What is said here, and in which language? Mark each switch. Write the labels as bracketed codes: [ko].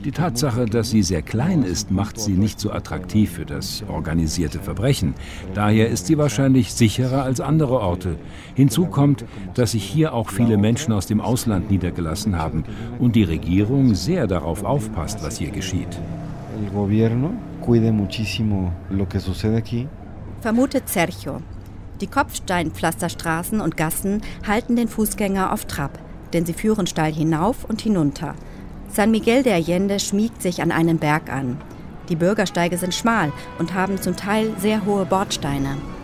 [de] Die Tatsache, dass sie sehr klein ist, macht sie nicht so attraktiv für das organisierte Verbrechen. Daher ist sie wahrscheinlich sicherer als andere Orte. Hinzu kommt, dass sich hier auch viele Menschen aus dem Ausland niedergelassen haben und die Regierung sehr darauf aufpasst, was hier geschieht. [es] El gobierno cuida muchísimo lo que sucede aquí. [de] Vermutet Sergio. Die Kopfsteinpflasterstraßen und Gassen halten den Fußgänger auf Trab, denn sie führen steil hinauf und hinunter. San Miguel de Allende schmiegt sich an einen Berg an. Die Bürgersteige sind schmal und haben zum Teil sehr hohe Bordsteine.